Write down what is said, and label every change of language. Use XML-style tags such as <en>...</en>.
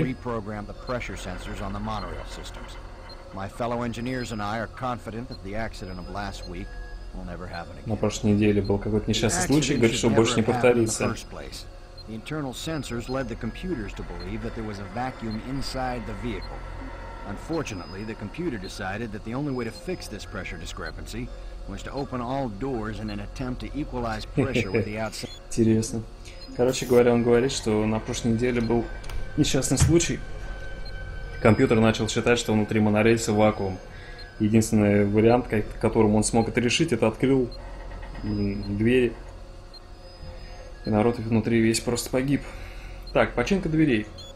<en>Reprogrammed the pressure sensors on the monorail systems. My fellow engineers and I are confident that the accident of last week.</en> <ru>На прошлой неделе был какой-то несчастный случай, говорит, что больше не повторится.</ru> <en>The internal sensors led the computers to believe that there was a vacuum inside the vehicle. Unfortunately, the computer decided that the only way to fix this pressure discrepancy was to open all doors in an attempt to equalize pressure with the outside.</en> <ru>Интересно. Короче говоря, он говорит, что на прошлой неделе был несчастный случай. Компьютер начал считать, что внутри монорельса вакуум. Единственный вариант, которым он смог это решить, это открыл двери. И народ внутри весь просто погиб. Так, починка дверей.</ru>